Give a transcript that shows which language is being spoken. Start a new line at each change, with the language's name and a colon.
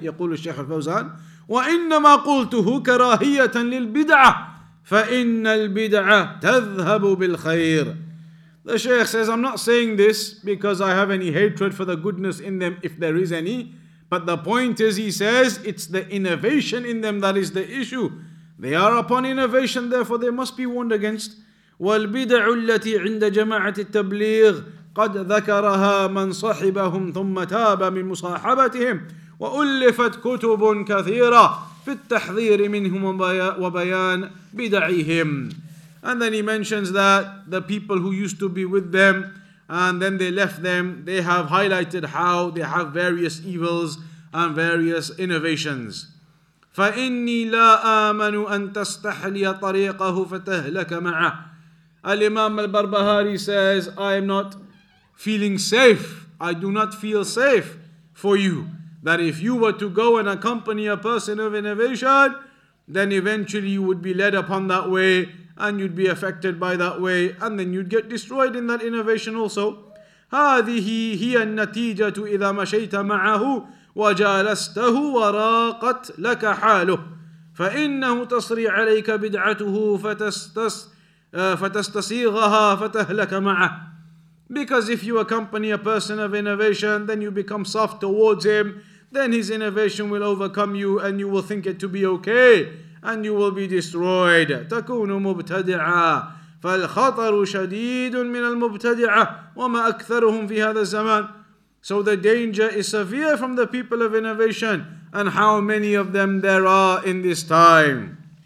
Arabic: يقول الشيخ الفوزان وإنما قلته كراهية للبدعة فإن البدعة تذهب بالخير.
English: The Shaykh says, I'm not saying this because I have any hatred for the goodness in them, if there is any. But the point is, he says, it's the innovation in them that is the issue. They are upon innovation, therefore they must be warned against.
Arabic: والبدع التي عند جماعة التبليغ قد ذكرها من صاحبهم ثم تاب من مصاحبتهم. وألفت كتب كثيرة في التحذير منهم وبيان بدعهم.
English: And then he mentions that the people who used to be with them and then they left them, they have highlighted how they have various evils and various innovations.
Arabic: فإني لا آمن أن تستحلي طريقه فتهلك معه.
English: الإمام البربهاري says, I am not feeling safe. I do not feel safe for you. That if you were to go and accompany a person of innovation, then eventually you would be led upon that way, and you'd be affected by that way, and then you'd get destroyed in that innovation also.
Arabic: هذه هي النتيجة إذا مشيت معه وجالسته وراقت لك حاله فإنه تصري عليك بدعته فتستصيغها فتهلك معه.
English: Because if you accompany a person of innovation, then you become soft towards him, then his innovation will overcome you and you will think it to be okay and you will be destroyed.
Arabic: تكون مبتدعا فالخطر شديد من المبتدعة وما أكثرهم في هذا الزمان.
English: So the danger is severe from the people of innovation and how many of them there are in this time.